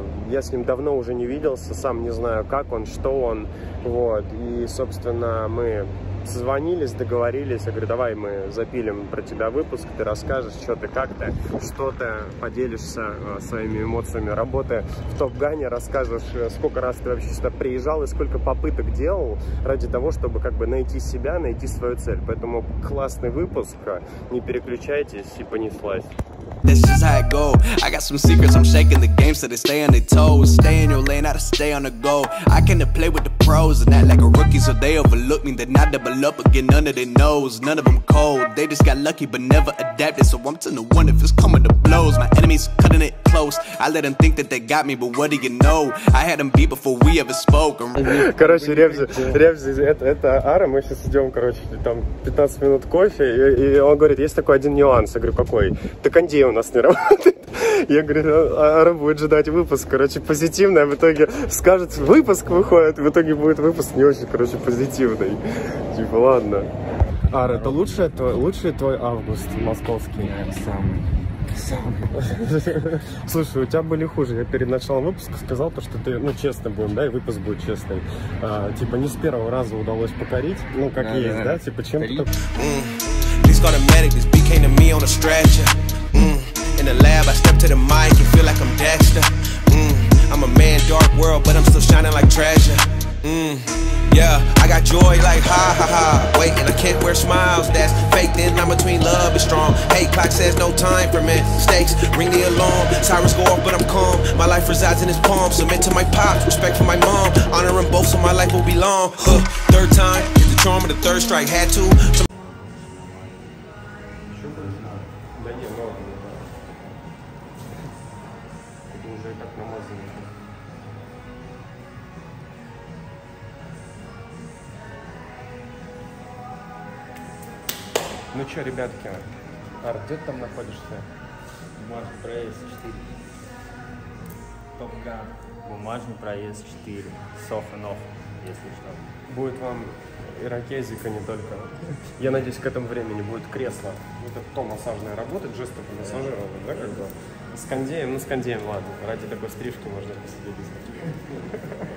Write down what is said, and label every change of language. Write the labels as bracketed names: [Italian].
[Russian] Я с ним давно уже не виделся, сам не знаю, как он, что он, вот, и, собственно, мы созвонились, договорились, я говорю, давай мы запилим про тебя выпуск, ты расскажешь, что ты, как ты, что ты, поделишься своими эмоциями работы в Топгане, расскажешь, сколько раз ты вообще сюда приезжал и сколько попыток делал ради того, чтобы как бы найти себя, найти свою цель. Поэтому классный выпуск, не переключайтесь, и понеслась. [English] This is how it go. I got some secrets, I'm shaking the game so they stay on their toes. Stay in your lane, I gotta stay on the go. I can't play with the pros and act like a rookie so they overlook me. Then I double up again under their nose. None of them cold, they just got lucky but never adapted. So I'm telling the one if it's coming to blows. My enemies cutting it close. I let them think that they got me but what do you know? I had them beat before we ever spoke. [Russian] Короче, Ревзи, это Ара. Мы сейчас идем, короче, там 15 минут кофе. И он говорит, есть такой один нюанс. Я говорю, какой? Ты кондей у нас не работает. Я говорю, Ара будет ждать выпуск, короче, позитивный. А в итоге скажет, выпуск выходит. В итоге будет выпуск не очень, короче, позитивный. Типа, ладно. Ара, это лучший твой август московский? Самый. Слушай, у тебя были хуже. Я перед началом выпуска сказал то, что ты, ну, честным будем, да, и выпуск будет честный. Типа, не с первого раза удалось покорить. Ну, как да, есть, да? Типа, чем-то... [English] This got a medic, this beat came to me on a stretcher. In the lab, I step to the mic and feel like I'm Dexter. I'm a man, dark world, but I'm still shining like treasure. Yeah, I got joy like ha ha ha. Wait, and I can't wear smiles, that's fake. Then I'm between love and strong. Hey, clock says no time for mistakes. Ring the alarm, sirens go off, but I'm calm. My life resides in his palm. Submit to my pops, respect for my mom. Honor them both, so my life will be long. Third time, hit the charm of the third strike. Had to. [Russian] Так намазано. Ну что, ребятки, Ар, где ты там находишься? Бумажный проезд 4. Топ-ган. Бумажный проезд 4. [English] Soft and off, [Russian] если что. Будет вам ирокезика не только. Я надеюсь, к этому времени будет кресло. Это то массажное работает, жестов и массажировал, да, как бы? С кондеем, ну с кондеем, ладно. Ради такой стрижки можно посидеть.